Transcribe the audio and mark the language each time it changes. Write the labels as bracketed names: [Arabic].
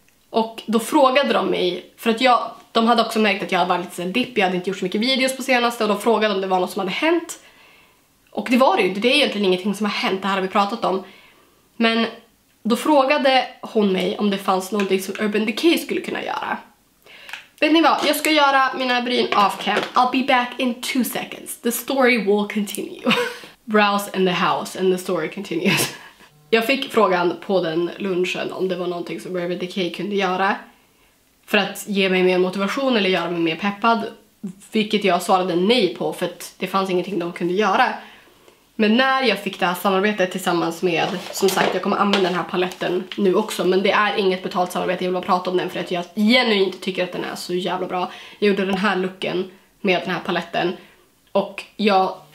[Swedish] Och då frågade de mig, för att de hade också märkt att jag var lite dippig, jag hade inte gjort så mycket videos på senaste, och de frågade om det var något som hade hänt. Och det var det ju, det är egentligen ingenting som har hänt, det här har vi pratat om. Men då frågade hon mig om det fanns någonting som Urban Decay skulle kunna göra. Vet ni vad, jag ska göra mina bryn off-cam. [English] I'll be back in 2 seconds. The story will continue. Browse in the house and the story continues. [Swedish] Jag fick frågan på den lunchen om det var någonting som Urban Decay kunde göra för att ge mig mer motivation eller göra mig mer peppad. Vilket jag svarade nej på, för att det fanns ingenting de kunde göra. Men när jag fick det här samarbetet tillsammans med, som sagt, jag kommer använda den här paletten nu också, men det är inget betalt samarbete, jag vill bara prata om den för att jag genuint tycker att den är så jävla bra. Jag gjorde den här looken med den här paletten och jag